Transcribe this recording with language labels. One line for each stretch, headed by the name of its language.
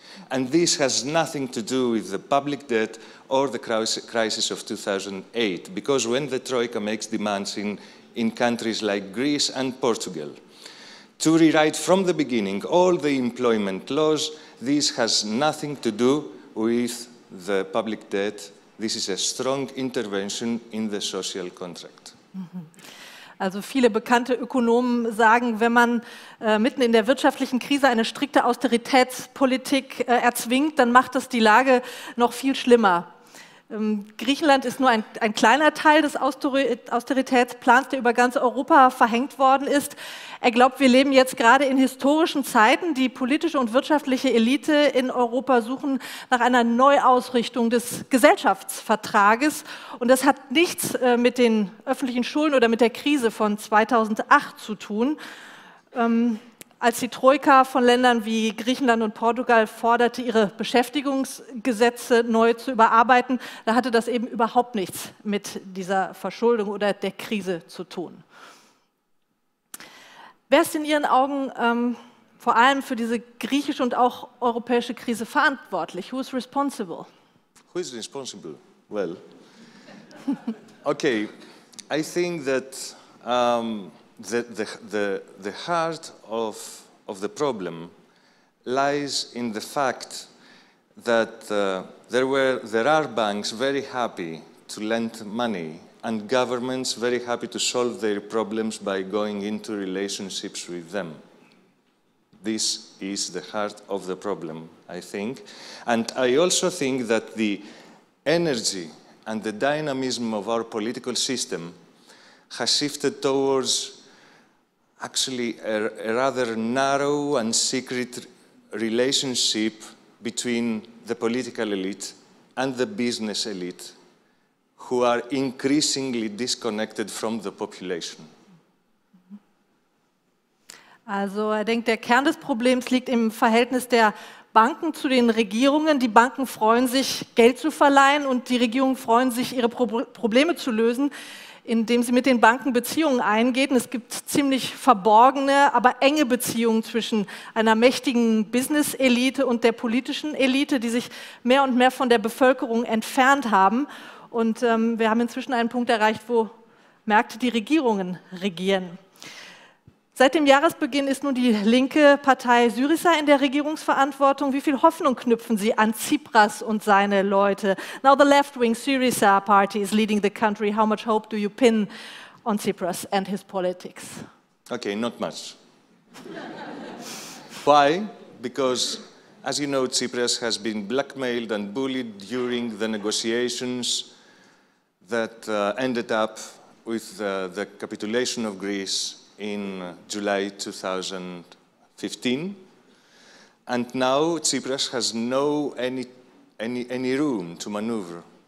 English: And this has nothing to do with the public debt or the crisis of 2008, because when the Troika makes demands in countries like Greece and Portugal to rewrite from the beginning all the employment laws, this has nothing to do with the public debt. This is a strong intervention in the social contract. Mm-hmm.
German: Also viele bekannte Ökonomen sagen, wenn man mitten in der wirtschaftlichen Krise eine strikte Austeritätspolitik erzwingt, dann macht das die Lage noch viel schlimmer. Griechenland ist nur ein kleiner Teil des Austeritätsplans, der über ganz Europa verhängt worden ist. Er glaubt, wir leben jetzt gerade in historischen Zeiten. Die politische und wirtschaftliche Elite in Europa suchen nach einer Neuausrichtung des Gesellschaftsvertrages. Und das hat nichts mit den öffentlichen Schulden oder mit der Krise von 2008 zu tun. Als die Troika von Ländern wie Griechenland und Portugal forderte, ihre Beschäftigungsgesetze neu zu überarbeiten, da hatte das eben überhaupt nichts mit dieser Verschuldung oder der Krise zu tun. Wer ist in Ihren Augen vor allem für diese griechische und auch europäische Krise verantwortlich?
English: Who is responsible? Who is responsible? Well, okay, I think that the heart of the problem lies in the fact that there are banks very happy to lend money and governments very happy to solve their problems by going into relationships with them. This is the heart of the problem, I think. And I also think that the energy and the dynamism of our political system has shifted towards actually a rather narrow and secret relationship between the political elite and the business elite, who are increasingly disconnected from the population.
German: Also, er denkt, der Kern des Problems liegt im Verhältnis der Banken zu den Regierungen. Die Banken freuen sich, Geld zu verleihen, und die Regierungen freuen sich, ihre Probleme zu lösen, indem sie mit den Banken Beziehungen eingehen. Es gibt ziemlich verborgene, aber enge Beziehungen zwischen einer mächtigen Business-Elite und der politischen Elite, die sich mehr und mehr von der Bevölkerung entfernt haben. Und wir haben inzwischen einen Punkt erreicht, wo Märkte die Regierungen regieren. Seit dem Jahresbeginn ist nun die linke Partei Syriza in der Regierungsverantwortung. Wie viel Hoffnung knüpfen Sie an Tsipras und seine Leute?
English: Now the left-wing Syriza party is leading the country. How much hope do you pin on Tsipras and his politics? Okay, not much. Why? Because, as you know, Tsipras has been blackmailed and bullied during the negotiations that ended up with the capitulation of Greece in July 2015, and now Tsipras has no any room to maneuver.